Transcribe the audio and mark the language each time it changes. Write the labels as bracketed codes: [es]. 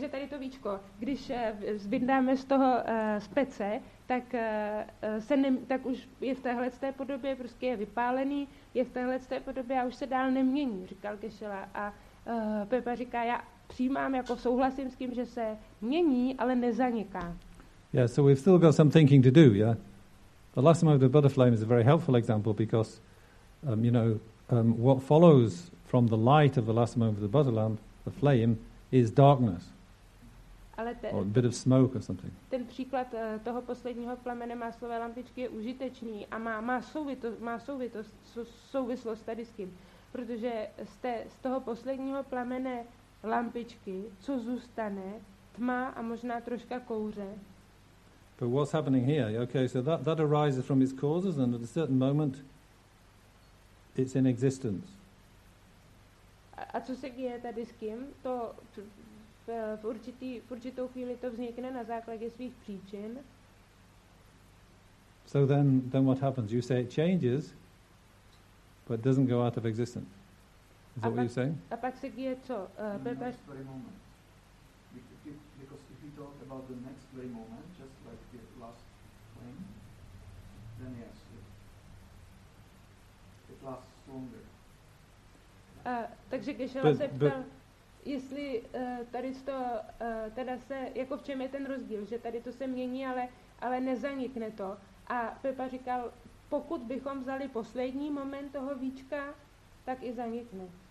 [cs] Takže tady to víčko, když vyndáme z toho z pece, tak se tak už je v téhle té podobě, prostě je vypálený, je v téhle té podobě a už se dál nemění, říkal Kešela. A Pepa říká, já přijímám, jako souhlasím s tím, že se mění, ale nezaniká. [en] Yeah, so we've still got some thinking to do, yeah. The last moment of the butterfly is a very helpful example because what follows from the light of the last moment of the butter lamp, the flame, is darkness. Or a bit of smoke or something. [cs] Ten příklad toho posledního plamene máslové lampičky je užitečný a má souvislost tady s tím. Protože z toho posledního plamene lampičky, co zůstane, tma a možná troška kouře. [en] But what's happening here? Okay, so that arises from its causes and at a certain moment it's in existence. [cs] A co se děje tady s kým? To v určitou chvíli to vznikne na základě svých příčin. [en] So then what happens? You say it changes, but it doesn't go out of existence. Is that what you're saying? [cs] A pak se děje co? [en] Next very moment. Because if we talk about the next very moment, just like the last plane, then yes, it lasts longer. [cs] Takže Geshe-la se ptal, jestli tady to teda se, jako v čem je ten rozdíl, že tady to se mění, ale nezanikne to. A Pepa říkal, pokud bychom vzali poslední moment toho víčka, tak i zanikne.